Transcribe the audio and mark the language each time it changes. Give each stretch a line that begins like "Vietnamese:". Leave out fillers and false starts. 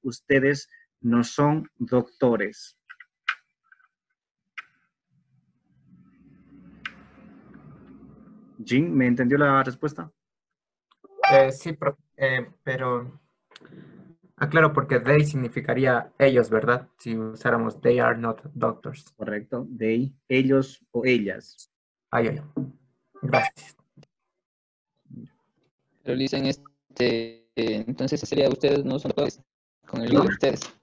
Spanish: Ustedes no son doctores. Jean, ¿me entendió la respuesta? Sí, pero aclaro porque they significaría ellos, ¿verdad? Si usáramos
English: they are not doctors.
Spanish: Correcto, they, ellos o ellas. Ay. Gracias. Pero dicen entonces sería ustedes no son doctores con el de ustedes.